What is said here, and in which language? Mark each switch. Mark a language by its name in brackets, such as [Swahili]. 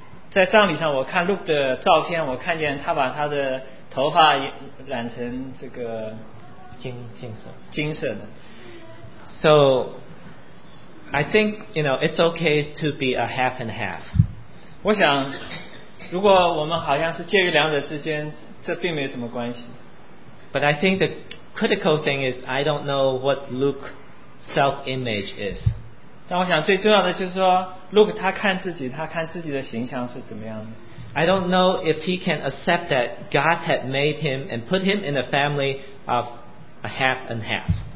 [Chinese] 在葬礼上我看 Luke的照片 我看见他把他的头发染成这个金色的。 [English] So I think, you know, it's okay to be a half and half. [Chinese] 我想如果我们好像是介于两者之间这并没有什么关系。 [English] But I think the critical thing is I don't know what Luke's self-image is. [Chinese] 但我想最重要的就是说,Luke他看自己,他看自己的形象是怎么样的。 [English] I don't know if he can accept that God had made him and put him in a family of a half and half.